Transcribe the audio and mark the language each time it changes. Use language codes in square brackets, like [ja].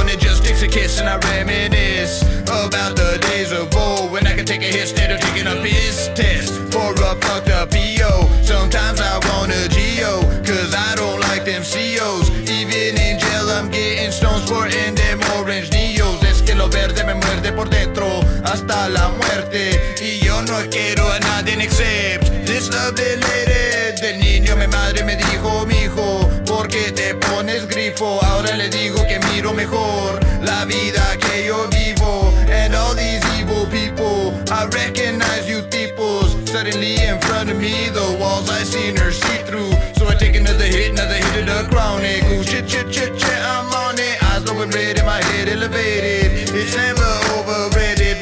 [en] And it just takes a kiss and I reminisce about the days of old. When I can take a hit instead of taking a piss test for a fucked up EO. Sometimes I want a GO, cause I don't like them COs. Even in jail I'm getting stones for in them orange neos. [es] Es que lo verde me muerde por dentro hasta la muerte. Y yo no quiero a nadie [en] except this lovely lady. [es] De niño mi madre me dijo, mijo, ¿por qué te pones grifo? Ahora le digo que miro mejor la vida que yo vivo. [en] And all these evil people, I recognize you peoples. Suddenly in front of me, the walls I seen her see through. So I take another hit of the chronic. Ooh, shit, shit, shit, shit, I'm on it. Eyes glowing red and my head elevated. It's never overrated.